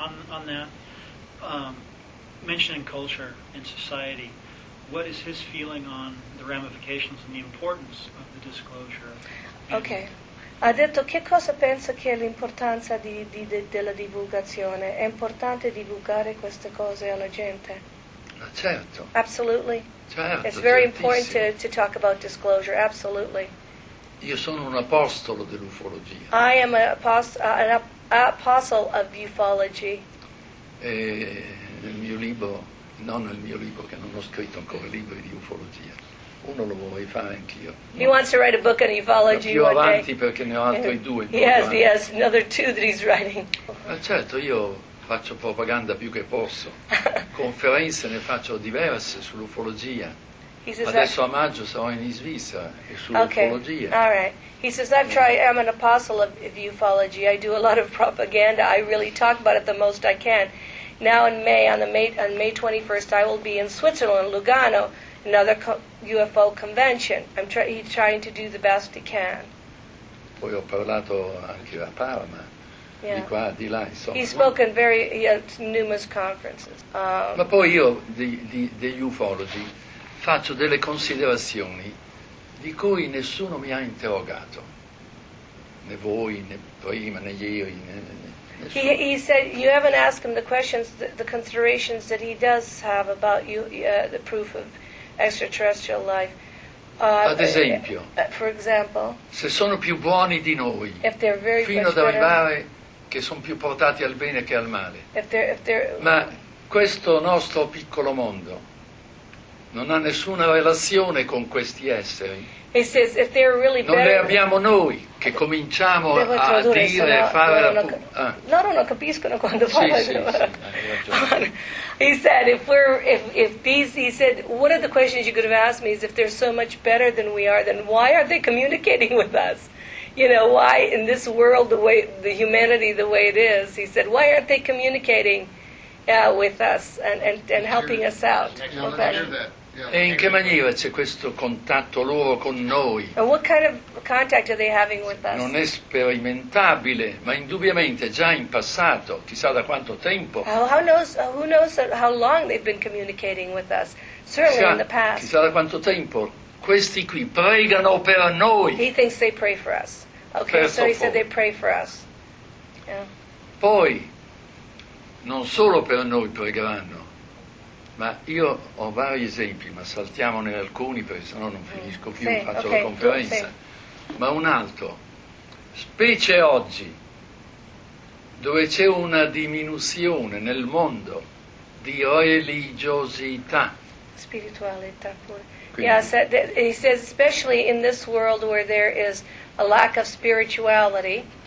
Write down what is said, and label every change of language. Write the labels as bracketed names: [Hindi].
[English] On that, mentioning culture and society, what is his feeling on the ramifications and the importance of the disclosure? Okay. [Italian] Ha detto che cosa pensa che è l'importanza della divulgazione? È importante divulgare queste cose alla gente? Certo. [English] Absolutely. [Italian] Certo, [English] it's very important to talk about disclosure, absolutely. [Italian] Io sono un apostolo dell'ufologia. [English] I am an apostle of ufology. [Italian] E nel mio libro, non nel mio libro, che non ho scritto ancora libri di ufologia. Uno lo vorrei fare anch'io. [English] He wants to write a book on ufology. [Italian] Più avanti perché ne ho altri due. [English] He has another two that he's writing. [Italian] Ma certo, io faccio propaganda più che posso. Conferenze ne faccio diverse sull'ufologia. Adesso a maggio sarò in Svizzera e sull'ufologia. [English] Okay. All right. He says, I'm an apostle of ufology. I do a lot of propaganda. I really talk about it the most I can. Now in May, on May 21st, I will be in Switzerland, Lugano, another UFO convention. He's trying to do the best he can. [Italian] Poi ho parlato anche a Parma, di qua, di là, insomma. [English] He's spoken numerous conferences. [Italian] Ma poi io, degli ufologi, faccio delle considerazioni di cui nessuno mi ha interrogato, né voi, né prima, né ieri, né. [English] He said, you haven't asked him the questions, the considerations that he does have about the proof of extraterrestrial life. [Italian] Ad esempio, [English] for example, [Italian] se sono più buoni di noi, fino ad arrivare che sono più portati al bene che al male, ma questo nostro piccolo mondo non ha nessuna relazione con questi esseri. [English] Says, if they're really [Italian] non le abbiamo noi che cominciamo a dire e fare la loro non capiscono quando sì, parlano. Sì, [English] he said if we're if these he said one of the questions you could have asked me is if they're so much better than we are, then why aren't they communicating with us? You know, why in this world the way the humanity the way it is, he said, why aren't they communicating with us and helping us out? [Italian] E in che maniera c'è questo contatto loro con noi? [English] And what kind of contact are they having with us? [Italian] Non è sperimentabile, ma indubbiamente già in passato, chissà da quanto tempo. [English] Who knows how long they've been communicating with us? Certainly in the past. [Italian] Chissà da quanto tempo questi qui pregano per noi. [English] He thinks they pray for us. Okay, so he said they pray for us. Yeah. [Italian] Poi non solo per noi pregheranno. Ma io ho vari esempi, ma saltiamone alcuni perché sennò non finisco più, faccio la conferenza. Ma un altro, specie oggi, dove c'è una diminuzione nel mondo di religiosità. Spiritualità pure. Quindi, [English] yeah, so, he says, especially in this world where there is a lack of spirituality.